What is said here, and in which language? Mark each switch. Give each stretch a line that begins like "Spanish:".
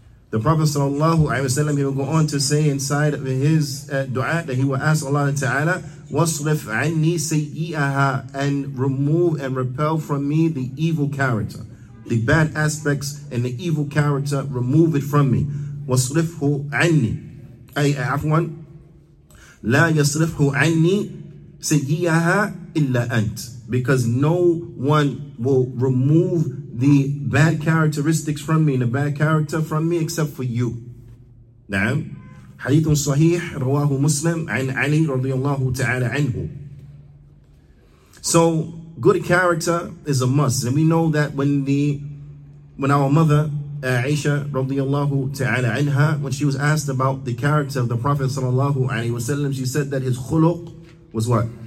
English: The Prophet sallallahu alayhi wa sallam, he will go on to say inside of his dua that he will ask Allah ta'ala,
Arabic: وَصْرِفْ عَنِّي سَيِّئَهَا,
English: and remove and repel from me the evil character, the bad aspects and the evil character, remove it from me.
Arabic: وَصْرِفْهُ عَنِّي, أي عفوان, لَا يَصْرِفْهُ عَنِّي سَيِّئَهَا إِلَّا أَنْتِ.
English: Because no one will remove the bad characteristics from me, and the bad character from me, except for you.
Arabic: نعم. حديث صحيح رواه مسلم عن علي رضي الله تعالى عنه.
English: So good character is a must. And we know that when our mother Aisha radiyallahu ta'ala anha, when she was asked about the character of the Prophet sallallahu alayhi wasallam, she said that his khuluq was what?